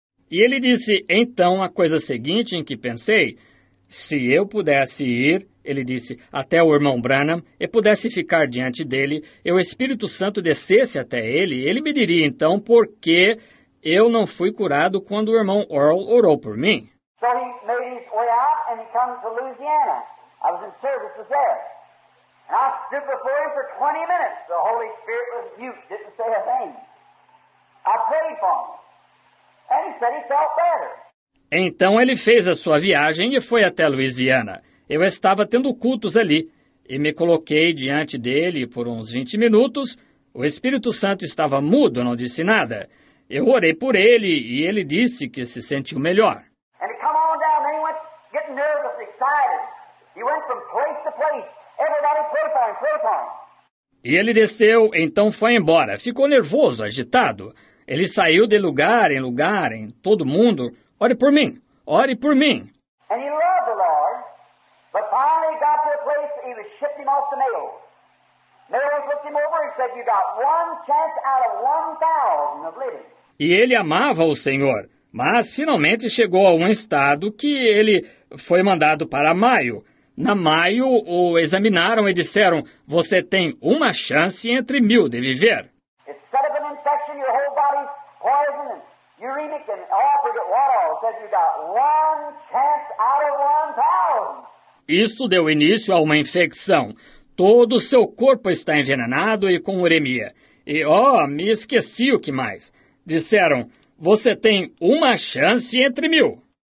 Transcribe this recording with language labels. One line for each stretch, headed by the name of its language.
Portuguese: E ele disse, então, a coisa seguinte em que pensei, se eu pudesse ir, ele disse, até o irmão Branham, e pudesse ficar diante dele, e o Espírito Santo descesse até ele, ele me diria, então, por que eu não fui curado quando o irmão Earl orou por mim.
English: So he made his way out, and he came to Louisiana. I was in services there. And I stood before him for 20 minutes. The Holy Spirit was mute, didn't say a thing. I prayed for him. And he said he felt better.
Portuguese: Então ele fez a sua viagem e foi até Louisiana. Eu estava tendo cultos ali e me coloquei diante dele por uns 20 minutos. O Espírito Santo estava mudo, não disse nada. Eu orei por ele e ele disse que se sentiu melhor.
English: And he came on down, then he went getting nervous, excited. He went from place to place. Everybody prayed for him, prayed for him.
Portuguese: E ele desceu, então foi embora. Ficou nervoso, agitado. Ele saiu de lugar em lugar, em todo mundo. Ore por mim, ore por mim.
English: And he loved the Lord, but finally got to a place he was shipped him off to Mayo. Mayo looked him over and said, you got one chance out of 1,000 of living.
Portuguese: E ele amava o Senhor, mas finalmente chegou a um estado que ele foi mandado para Mayo. Na Mayo, o examinaram e disseram, você tem uma chance entre 1,000 de viver.
English: Instead of an infection, your whole body's poison and uremic and all, I forget what all, said you got one chance out of 1,000.
Portuguese: Isso deu início a uma infecção. Todo o seu corpo está envenenado e com uremia. E, oh, me esqueci o que mais. Disseram, você tem uma chance entre 1,000.